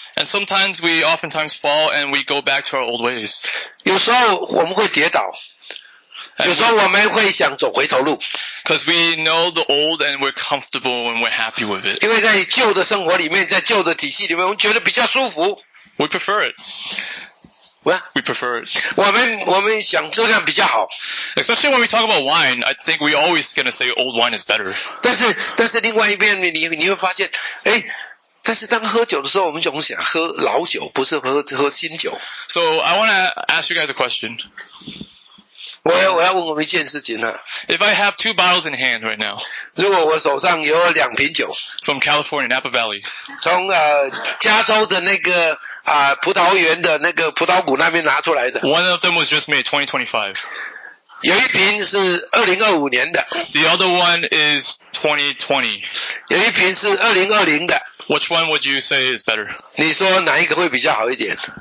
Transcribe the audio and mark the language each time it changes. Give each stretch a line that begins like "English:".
English: And sometimes we oftentimes fall and we go back to our old ways.
Chinese: 有时候我们会跌倒。有时候我们会想走回头路。
English: Because we know the old and we're comfortable and we're happy with it.
Chinese: 因为在旧的生活里面，在旧的体系里面，我们觉得比较舒服。
English: We prefer it. What? We prefer it.
Chinese: 我们想这样比较好。
English: Especially when we talk about wine, I think we're always going to say old wine is better.
Chinese: 但是另外一边你会发现，哎，但是当喝酒的时候，我们总是想喝老酒，不是喝新酒。
English: So I want to ask you guys a question.
Chinese: 我要问我们一件事情啊。
English: If I have two bottles in hand right now.
Chinese: 如果我手上有两瓶酒。
English: From California, Napa Valley.
Chinese: 从加州的那个葡萄园的那个葡萄谷那边拿出来的。
English: One of them was just made 2025.
Chinese: 有一瓶是2025年的。
English: The other one is 2020.
Chinese: 有一瓶是2020的。
English: Which one would you say is better?
Chinese: 你说哪一个会比较好一点？